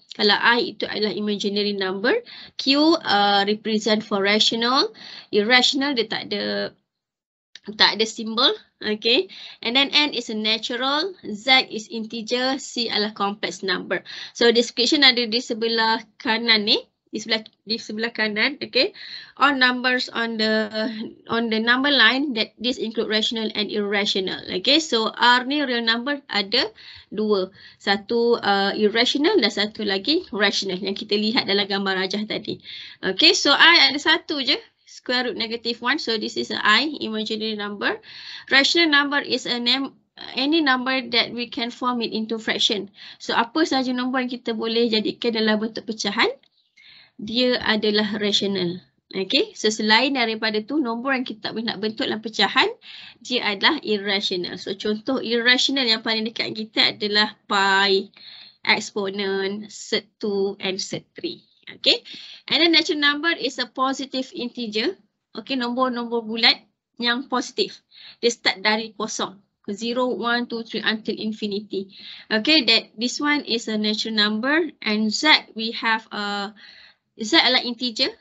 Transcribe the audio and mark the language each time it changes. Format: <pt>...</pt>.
<ms>Kalau I, itu adalah imaginary number. Q,</ms> <en>represent for rational.</en> <ms>Irrational, dia tak ada, tak ada simbol. Okay.</ms> <en>And then N is a natural. Z is integer.</en> <ms>C adalah complex number. So description ada di sebelah kanan ni. Di sebelah kanan. Okay.</ms> <en>All numbers on the number line that this include rational and irrational.</en> <ms>Okay. So R ni real number ada dua. Satu irrational dan satu lagi rational yang kita lihat dalam gambar rajah tadi. Okay. So I ada satu je.</ms> <en>Square root negative 1. So this is an I, imaginary number. Rational number is a name, any number that we can form it into fraction.</en> <ms>So apa sahaja nombor yang kita boleh jadikan dalam bentuk pecahan, dia adalah rational. Okay. So selain daripada tu, nombor yang kita nak bentuk dalam pecahan, dia adalah irrational. So contoh irrational yang paling dekat kita adalah pi, exponent, set 2 and set 3.</ms> <en>Okay, and then natural number is a positive integer.</en> <ms>Okay, nombor-nombor bulat yang positif. Dia start dari kosong.</ms> <en>0, 1, 2, 3 until infinity. Okay, that this one is a natural number. And Z, we have a, Z adalah integer.</en>